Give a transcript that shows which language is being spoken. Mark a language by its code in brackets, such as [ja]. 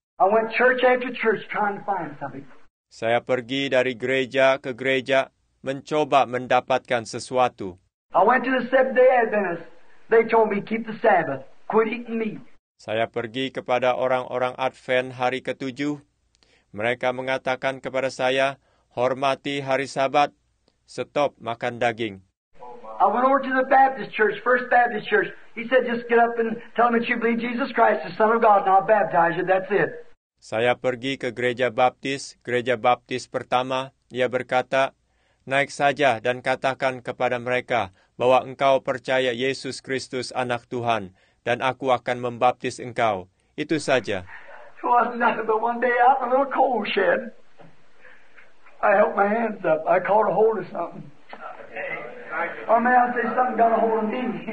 [en] I went church after church trying to find something. [id] Saya pergi dari gereja ke gereja mencoba mendapatkan sesuatu. [en] I went to the Seventh-day Adventist. They told me keep the Sabbath, quit eating meat. [id] Saya pergi kepada orang-orang Advent hari ketujuh. Mereka mengatakan kepada saya, hormati hari Sabat. Stop makan daging. [en] I went over to the Baptist church, First Baptist church. He said, just get up and tell them that you believe Jesus Christ, the Son of God, and I'll baptize you. That's it. [id] Saya pergi ke gereja Baptis pertama. Ia berkata, naik saja dan katakan kepada mereka bahwa engkau percaya Yesus Kristus Anak Tuhan, dan aku akan membaptis engkau. Itu saja. [en] So I was nothing but one day out in a little coal shed. I held my hands up. I caught a hold of something. Or may I say something got a hold of me?